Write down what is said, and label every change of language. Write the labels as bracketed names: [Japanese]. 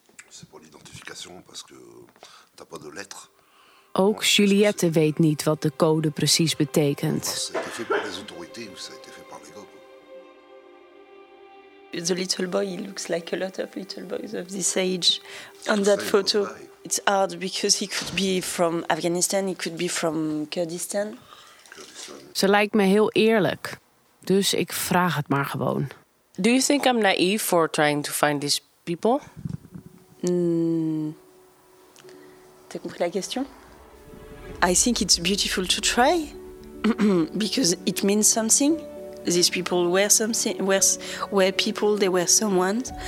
[French] C'est pour l'identification parce que t'as pas de lettres. [Dutch] Ook Juliette weet niet wat de code precies betekent. [French] Ça a été fait par les autorités ou ça a été fait par les gars? [English] The little boy, he looks like a lot of little boys of this age on that photo. It's hard because he could be from Afghanistan, he could be from Kurdistan. [Dutch] Ze lijkt me heel eerlijk, dus ik vraag het maar gewoon. [English] Do you think I'm naive for trying to find these people? [French] T'as compris la question? [English] I think it's beautiful to try, because it means something. These people were something, were people, they were someone.